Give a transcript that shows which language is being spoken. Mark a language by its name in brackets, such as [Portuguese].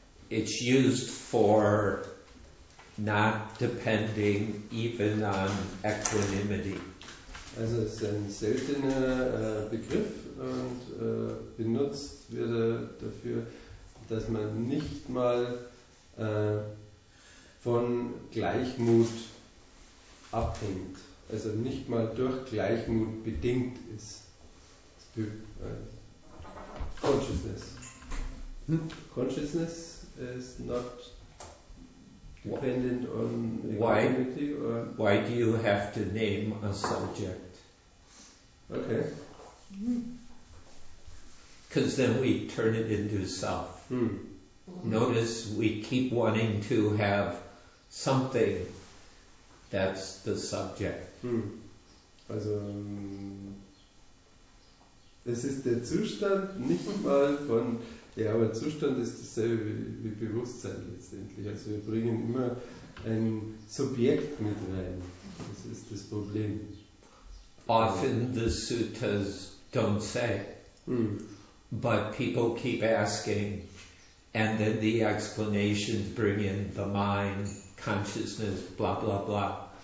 [English] It's used for not depending even on equanimity. [German] Also es ist ein seltener Begriff und benutzt wird dafür, dass man nicht mal von Gleichmut abhängt. Also nicht mal durch Gleichmut bedingt ist. [English] Consciousness. Consciousness is not dependent on equanimity. Why do you have to name a subject? Okay. Because then we turn it into self. Hmm. Notice we keep wanting to have something that's the subject. [German] Also, es ist der Zustand, nicht mal von, ja, aber Zustand ist dasselbe wie Bewusstsein letztendlich. Also wir bringen immer ein Subjekt mit rein. Das ist das Problem. [English] Often the suttas don't say, but people keep asking, and then the explanations bring in the mind, consciousness, blah, blah, blah.